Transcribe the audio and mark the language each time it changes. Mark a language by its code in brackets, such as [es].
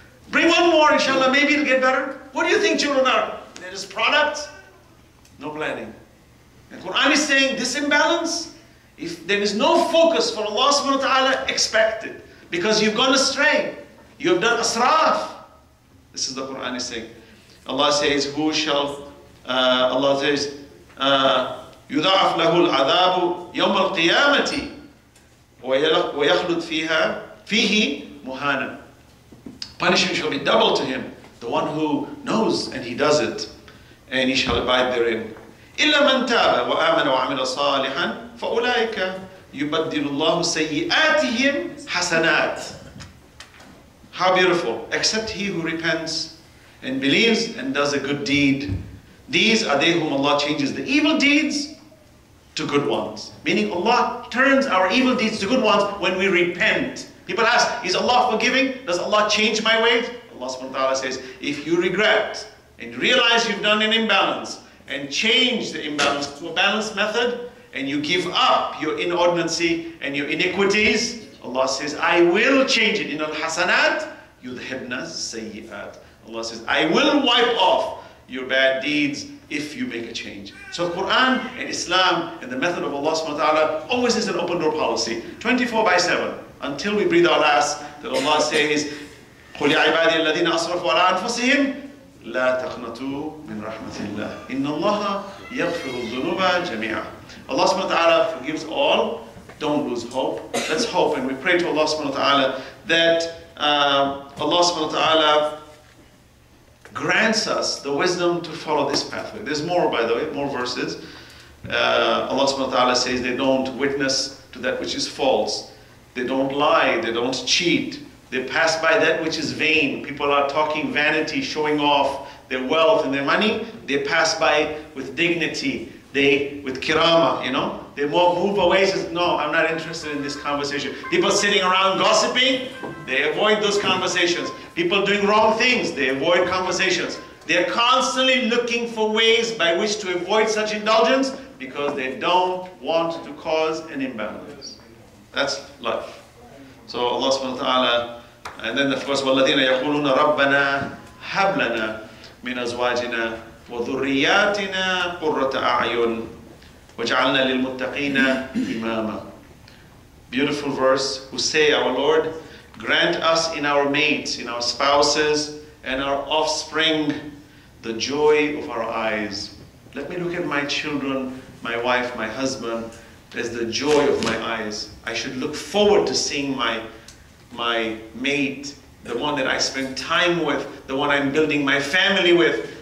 [en] Bring one more, inshallah, maybe it'll get better. What do you think children are? They're just products? No planning. And Quran is saying this imbalance, if there is no focus for Allah subhanahu wa ta'ala, expect it. Because you've gone astray. You have done asraf. This is the Quran is saying. Allah says, who shall, Allah says, [ar] يُضَعَفْ لَهُ الْعَذَابُ يَوْمَ الْقِيَامَةِ وَيَخْلُدْ فِيهَا فِيهِ مُهَانًا. [en] Punishment shall be doubled to him, the one who knows and he does it, and he shall abide therein. [ar] إِلَّا مَنْ تَابَ وَآمَنَ وَعَمِلَ صَالِحًا فَأُولَٰئِكَ يُبَدِّلُ اللَّهُ سَيِّئَاتِهِمْ حَسَنَاتٍ. [en] How beautiful! Except he who repents and believes and does a good deed. These are they whom Allah changes the evil deeds to good ones. Meaning Allah turns our evil deeds to good ones when we repent. People ask, is Allah forgiving? Does Allah change my ways? Allah subhanahu wa ta'ala says, if you regret and realize you've done an imbalance and change the imbalance to a balanced method and you give up your inordinacy and your iniquities, Allah says, I will change it. [ar] In al-hasanat, yudhibna sayyi'at. [en] Allah says, I will wipe off your bad deeds if you make a change. So Quran and Islam and the method of Allah subhanahu wa ta'ala always is an open door policy. 24/7, until we breathe our last, that Allah says, [ar] قُلْ يَا عِبَادِيَ الَّذِينَ أَصْرَفُوا عَلَىٰ أَنفُسِهِمْ لَا تَقْنَطُوا مِنْ رَحْمَةِ اللَّهِ إِنَّ اللَّهَ يَغْفِرُ الذُّنُوبَ جَمِيعًا. [en] Allah subhanahu wa ta'ala forgives all. Don't lose hope. Let's hope, and we pray to Allah subhanahu wa ta'ala that Allah subhanahu wa ta'ala grants us the wisdom to follow this pathway. There's more, by the way, more verses. Allah subhanahu wa ta'ala says they don't witness to that which is false. They don't lie, they don't cheat. They pass by that which is vain. People are talking vanity, showing off their wealth and their money. They pass by with dignity, they with kirama, you know. They move away, says, no, I'm not interested in this conversation. People sitting around gossiping, they avoid those conversations. People doing wrong things, they avoid conversations. They're constantly looking for ways by which to avoid such indulgence because they don't want to cause an imbalance. That's life. So Allah subhanahu wa ta'ala, and then of course, [ar] وَالَّذِينَ يَقُولُونَ رَبَّنَا هَبْلَنَا مِنْ أَزْوَاجِنَا وَذُرِّيَّاتِنَا قُرَّةَ أَعْيُنٍ وَجَعَلْنَا لِلْمُتَّقِينَ إِمَامًا. [en] Beautiful verse. Who say, our Lord, grant us in our mates, in our spouses, and our offspring, the joy of our eyes. Let me look at my children, my wife, my husband, as the joy of my eyes. I should look forward to seeing my mate, the one that I spend time with, the one I'm building my family with.